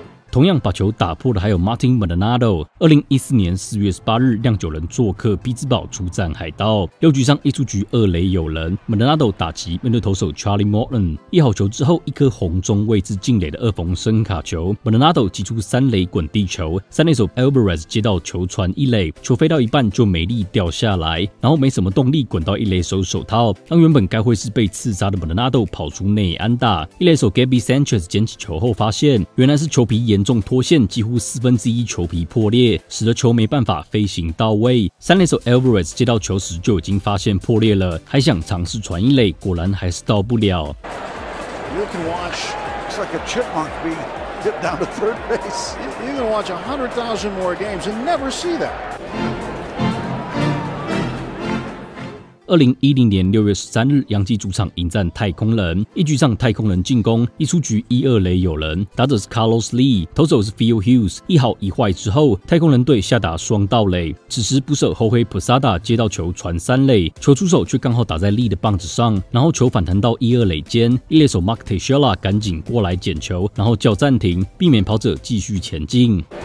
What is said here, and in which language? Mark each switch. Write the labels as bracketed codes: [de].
[zh] 同样把球打破的还有 Martin Maldonado。2014年4月18日，酿酒人做客匹兹堡出战海盗，六局上一出局二垒有人 ，Maldonado 打击面对投手 Charlie Morton， 一好球之后一颗红中位置进垒的二缝深卡球 ，Maldonado 击出三垒滚地球，三垒手 Alvarez 接到球传一垒，球飞到一半就没力掉下来，然后没什么动力滚到一垒手手套，让原本该会是被刺杀的 Maldonado 跑出内安打。一垒手 Gabby Sanchez 捡起球后发现，原来是球皮严重脱线，几乎四分之一球皮破裂，使得球没办法飞行到位。三垒手 Alvarez 接到球时就已经发现破裂了，还想尝试传一垒，果然还是到不了。 [en] You can watch, it's like a chipmunk being dipped down to third base. You can watch 100,000 more games and never see that. [zh] 2010年6月13日，洋基主场迎战太空人，一局上太空人进攻，一出局一二垒有人，打者是 Carlos Lee， 投手是 Phil Hughes， 一好一坏之后，太空人队下达双盗垒。此时捕手 Jorge Posada 接到球传三垒，球出手却刚好打在 Lee 的棒子上，然后球反弹到一二垒间，一垒手 Mark Teixeira 赶紧过来捡球，然后叫暂停，避免跑者继续前进。